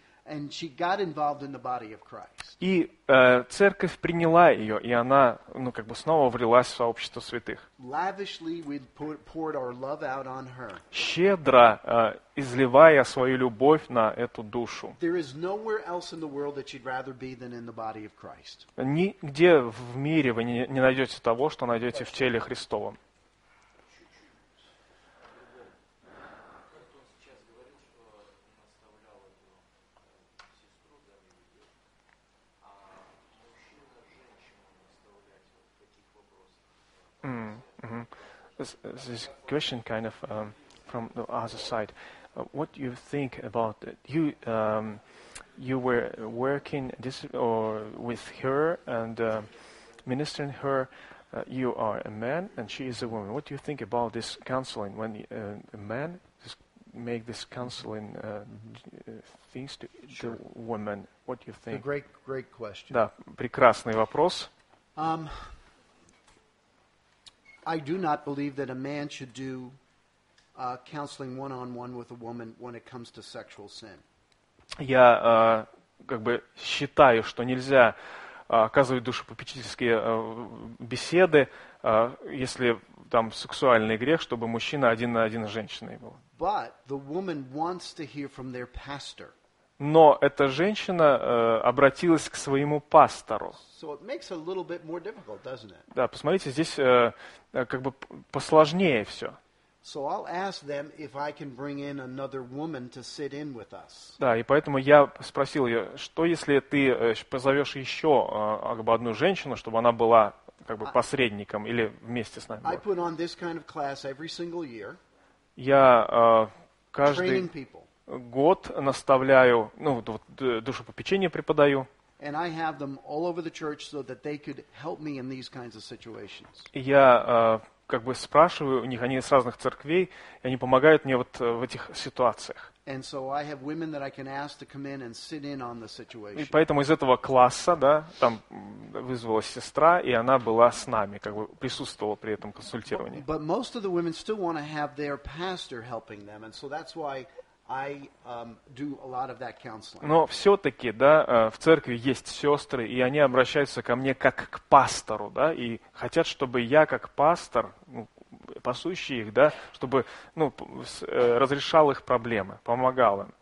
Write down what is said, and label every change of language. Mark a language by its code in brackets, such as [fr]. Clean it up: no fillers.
[en] And she got involved in the body of Christ. [ru] И церковь приняла ее, и она, ну, как бы снова влилась в сообщество святых. [en] Lavishly we poured our love out on her. [ru] Щедро изливая свою любовь на эту душу. [en] There is nowhere else in the world that she'd rather be than in the body of Christ. [ru] Нигде в мире вы не найдете того, что найдете в теле Христовом. [en] This question kind of from the other side. What do you think about it? You were working with her and ministering her. You are a man and she is a woman. What do you think about this counseling when a man just make this counseling things to sure. the woman? What do you think? A great question. [ru] Да, прекрасный вопрос. [en] I do not believe that a man should do counseling one-on-one with a woman when it comes to sexual sin. [ru] Я как бы считаю, что нельзя оказывать душепопечительские беседы, если там сексуальный грех, чтобы мужчина один на один с женщиной был. [en] But the woman wants to hear from their pastor. [ru] Но эта женщина обратилась к своему пастору. [en] So it makes it a little bit more difficult, doesn't it? [ru] Да, посмотрите, здесь как бы посложнее все. [en] So I'll ask them if I can bring in another woman to sit in with us. [ru] Да, и поэтому я спросил ее, что если ты позовешь еще как бы одну женщину, чтобы она была как бы посредником или вместе с нами? [en] I put on this kind of class every single year. [ru] Я каждый год наставляю, ну, душепопечение преподаю. [en] And I have them all over the church so that they could help me in these kinds of situations. [ru] Я как бы спрашиваю у них, они из разных церквей, и они помогают мне вот в этих ситуациях. [en] And so I have women that I can ask to come in and sit in on the situation. [ru] И поэтому из этого класса, да, там вызвалась сестра, и она была с нами, как бы присутствовала при этом консультировании. [en] But most of the women still want to have their pastor helping them, and so that's why I do a lot of that counseling. [ru] Но все-таки, да, в церкви есть сестры, и они обращаются ко мне как к пастору, да, и хотят, чтобы я как пастор, ну, пасущий их, да, чтобы, ну, разрешал их проблемы, помогал им.